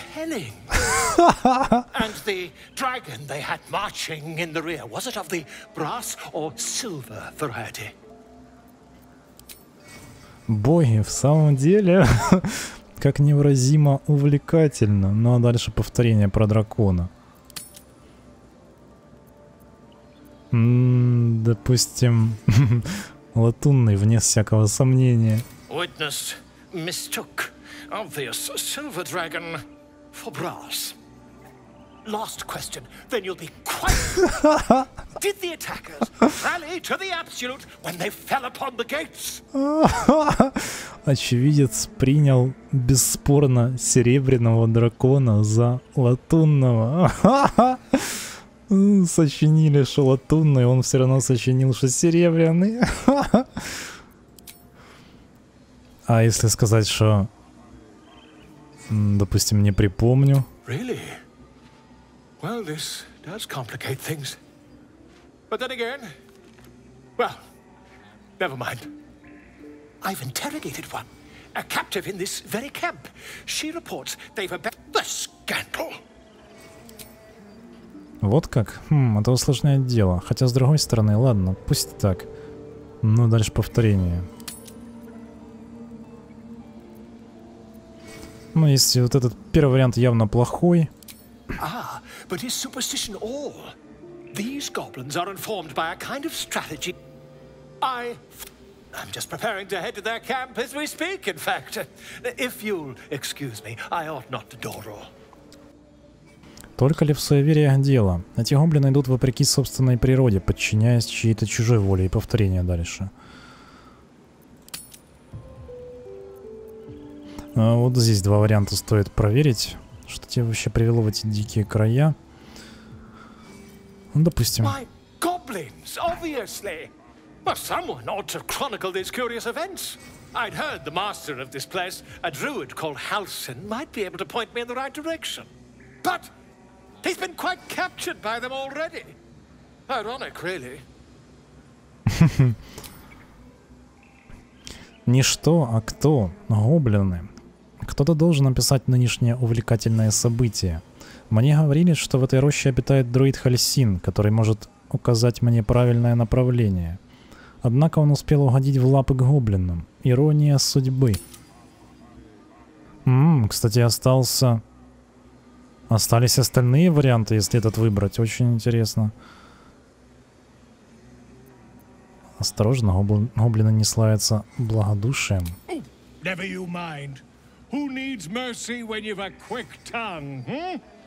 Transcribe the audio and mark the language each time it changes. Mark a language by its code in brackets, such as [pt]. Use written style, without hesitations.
[en] And the dragon they had marching in the rear, was it of the brass or silver variety? [ru] Боги, в самом деле, как невыразимо увлекательно. Ну а дальше повторение про дракона. Допустим, латунный, вне всякого сомнения. [en] Witness mistook obvious silver dragon for brass. Last question, then you'll be quiet. Did the attackers rally to the absolute when they fell upon the gates? [ru] Очевидец принял бесспорно серебряного дракона за латунного. Сочинили, что латунный, он все равно сочинил, что серебряный. А если сказать, что, допустим, не припомню. [en] Really? Well, this does complicate things. But then again, well, never mind. I've interrogated one, a captive in this very camp. She reports they've abet the scandal. [ru] Вот как? Это усложняет дело. Хотя с другой стороны, ладно, пусть так. Но дальше повторение. Ну, если вот этот первый вариант явно плохой. [en] But is superstition all? These goblins are informed by a kind of strategy. I'm just preparing to head to their camp as we speak, in fact. If you'll excuse me, I ought not to dawdle. [ru] Только ли в суевериях дело? Эти гоблины идут вопреки собственной природе, подчиняясь чьей-то чужой воле. И повторение дальше. А вот здесь два варианта стоит проверить. Что тебя вообще привело в эти дикие края? Ну, допустим. [en] My goblins, obviously. But someone ought to chronicle these curious events. I'd heard the master of this place, a druid called Halsin, might be able to point me in the right direction. But he's been quite captured by them already. Ironic, really. [ru] Не что, а кто? Гоблины. Кто-то должен описать нынешнее увлекательное событие. Мне говорили, что в этой роще обитает друид Хальсин, который может указать мне правильное направление. Однако он успел угодить в лапы к гоблинам. Ирония судьбы. Кстати, остался Остались остальные варианты, если этот выбрать. Очень интересно. Осторожно, гоблины не славятся благодушием. [en] Never you mind. Who needs mercy when you've a quick tongue, hmm?